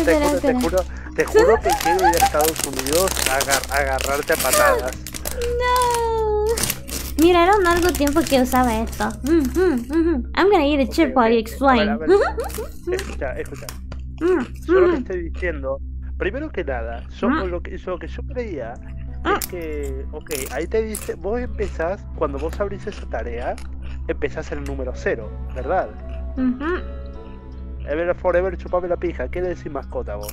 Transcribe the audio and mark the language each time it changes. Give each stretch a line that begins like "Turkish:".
Spanish: Te juro que quiero ir a Estados Unidos a agarrarte a patadas. No. Mira, era un largo tiempo que usaba esto.
English: I'm gonna eat a chip while you explain.
Spanish: Escucha. Yo lo que estoy diciendo, primero que nada, lo que yo creía. Es que, ok, ahí te dice, vos empezás, cuando vos abrís esa tarea, empezás el número 0, ¿verdad? Ever forever, chupame la pija, ¿qué le decís mascota vos?